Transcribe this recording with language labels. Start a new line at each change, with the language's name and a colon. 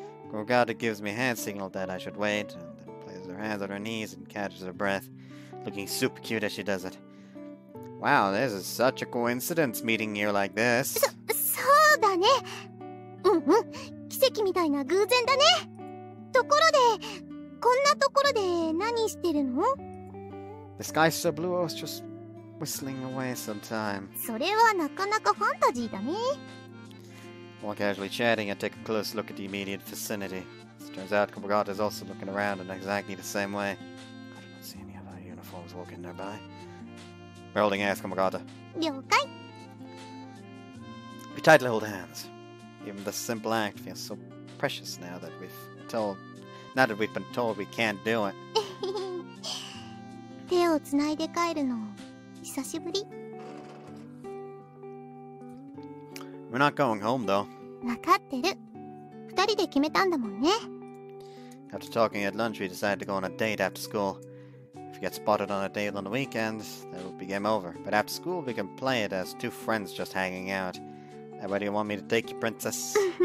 English: Kumagata gives me a hand signal that I should wait, and then places her hands on her knees and catches her breath, looking super cute as she does it. Wow, this is such a coincidence, meeting you like this.
Japanese: そうだね!うんうん!奇跡みたいな偶然だね! ところで、 こんなところで何してるの?
English: The sky's so blue, I was just whistling away some time.
Japanese: それはなかなかファンタジーだね。
English: While casually chatting, I take a close look at the immediate vicinity. As it turns out, Kumagata is also looking around in exactly the same way. I do not see any of our uniforms walking nearby. We're holding hands, Kumagata.
Japanese: 了解!
English: We tightly hold hands. Even the simple act feels so precious now that we've been told we can't do it.
Japanese: 手をつないで帰るの久しぶり。
English: We're not going home, though.
Japanese: 分かってる。二人で決めたんだもんね。
English: After talking at lunch, we decided to go on a date after school. If we get spotted on a date on the weekend, that would be game over. But after school, we can play it as two friends just hanging out. And where do you want me to take you, princess?